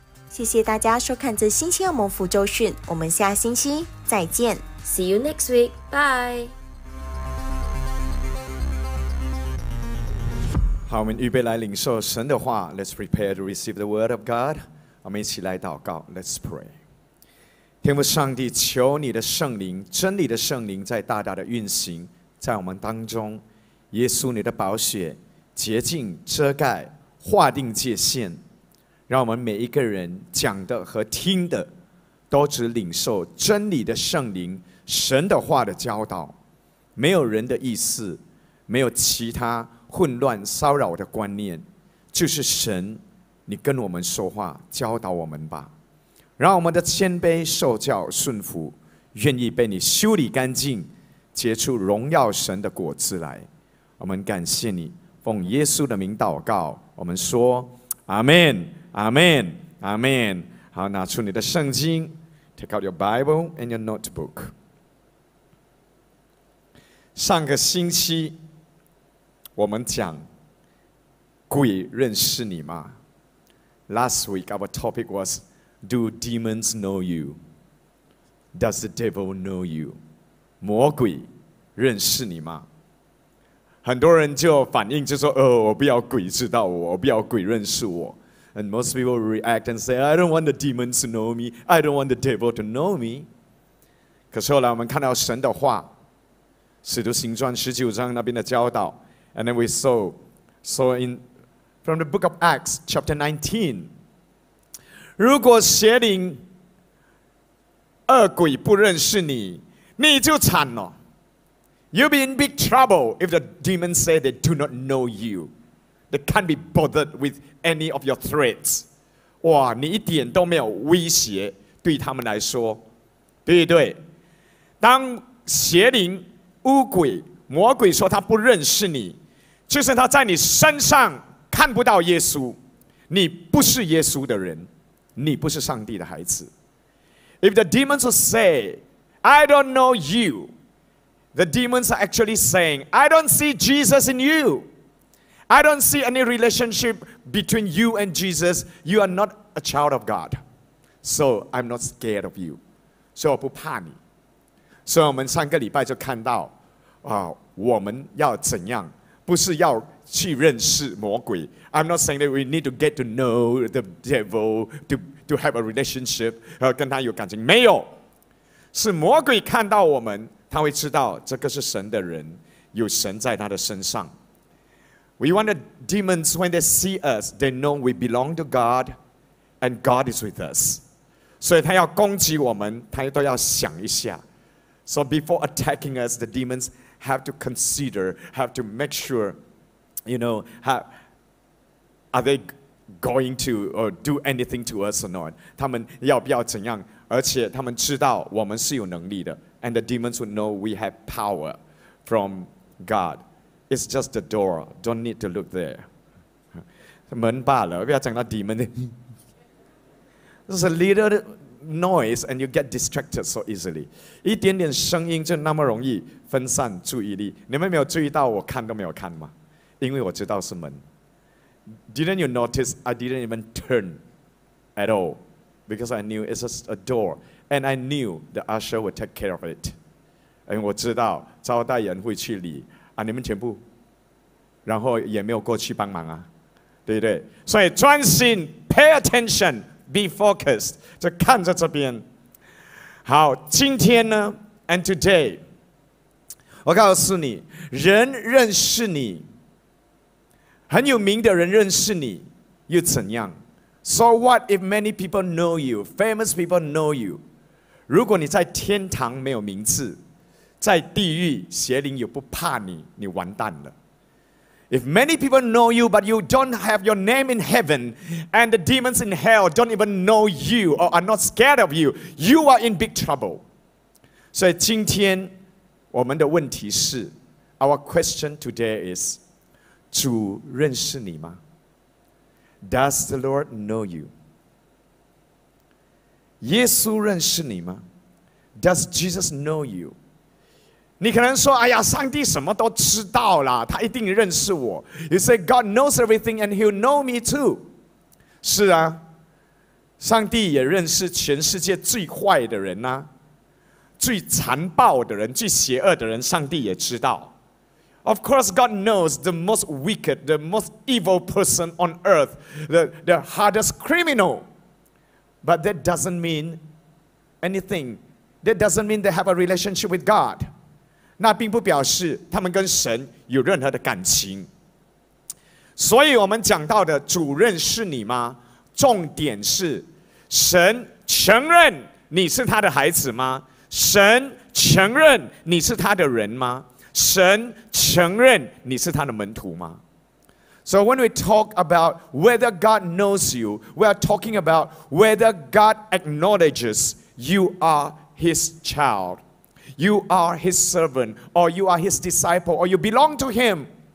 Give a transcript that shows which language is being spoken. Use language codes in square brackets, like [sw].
[zh] 谢谢大家收看这星期的蒙福周讯，我们下星期再见。 [en] See you next week, bye。 [zh] 好，我们预备来领受神的话。 [en] Let's prepare to receive the word of God。 [zh] 我们一起来祷告。 [en] Let's pray。 [zh] 天父上帝，求你的圣灵，真理的圣灵在大大的运行在我们当中。耶稣，你的宝血洁净遮盖，划定界限，让我们每一个人讲的和听的都只领受真理的圣灵、神的话的教导，没有人的意思，没有其他混乱骚扰的观念，就是神你跟我们说话，教导我们吧。让我们的谦卑受教顺服，愿意被你修理干净，结出荣耀神的果子来。我们感谢你，奉耶稣的名祷告，我们说阿们阿们阿们。好，拿出你的圣经， [en] Take out your Bible and your notebook。 [zh] 上个星期我们讲鬼认识你吗？ [en] Last week our topic was Do demons know you? Does the devil know you? [zh] 魔鬼认识你吗？很多人就反应就说，我不要鬼知道我，我不要鬼认识我。 [en] And most people react and say, I don't want the demons to know me. I don't want the devil to know me. [zh] 可是后来我们看到神的话，使徒行传十九章那边的教导。 [en] And then we saw in, from the book of Acts, chapter 19. [zh] 如果邪灵恶鬼不认识你，你就惨了。 [en] You'll be in big trouble if the demons say they do not know you. They can't be bothered with any of your threats. [zh] 哇，你一点都没有威胁对他们来说，对不对？当邪灵、巫鬼、魔鬼说他不认识你，就是他在你身上看不到耶稣，你不是耶稣的人，你不是上帝的孩子。 [en] If the demons say, I don't know you, the demons are actually saying, I don't see Jesus in you. I don't see any relationship between you and Jesus. You are not a child of God. So I'm not scared of you. [zh] 所以我不怕你。所以我们上个礼拜就看到，我们要怎样，不是要去认识魔鬼。 [en] I'm not saying that we need to get to know the devil to have a relationship, [zh] 跟他有感情。没有。是魔鬼看到我们，他会知道这个是神的人，有神在他的身上。 [en] We want the demons, when they see us, they know we belong to God and God is with us. [zh] 所以他要攻击我们，他都要想一下。 [en] So before attacking us, the demons have to consider, have to make sure, you know, are they going to do anything to us or not? [zh] 他们要不要怎样？而且他们知道我们是有能力的。 [en] And the demons would know we have power from God. It's just a door. Don't need to look there. [zh] 门罢了，不要讲到 demon. [en] There's a little noise and you get distracted so easily. [zh] 一点点声音就那么容易分散注意力。你们没有注意到我看都没有看吗？因为我知道是门。 [en] Didn't you notice I didn't even turn at all? Because I knew it's just a door. And I knew the usher would take care of it. [zh] And 我知道招待人会去理啊，你们全部，然后也没有过去帮忙啊，对不对？所以专心 ， [en] pay attention, be focused， [zh] 就看着这边。好，今天呢 ， [en] and today， [zh] 我告诉你，人认识你，很有名的人认识你又怎样 ？ [en] So what if many people know you, [zh] famous people know you？如果你在天堂没有名字，在地狱邪灵又不怕你，你完蛋了。 [en] If many people know you, but you don't have your name in heaven, and the demons in hell don't even know you or are not scared of you, you are in big trouble. [zh] 所以今天我们的问题是 ， [en] Our question today is： [zh] 主认识你吗 ？ [en] Does the Lord know you？ [zh] 耶稣认识你吗 ？ [en] Does Jesus know you？ [zh] 你可能说哎呀上帝什么都知道啦他一定认识我。 [en] You say, God knows everything and he'll know me too. [zh] 是啊上帝也认识全世界最坏的人啊最残暴的人最邪恶的人上帝也知道。 [en] Of course, God knows the most wicked, the most evil person on earth, the hardest criminal. But that doesn't mean anything. That doesn't mean they have a relationship with God. [zh] 那并不表示他们跟神有任何的感情。所以我们讲到的主认识你吗？重点是，神承认你是他的孩子吗？神承认你是他的人吗？神承认你是他的门徒吗？ [en] So when we talk about whether God knows you, we are talking about whether God acknowledges you are his child. You are his servant, or you are his disciple, or you belong to him.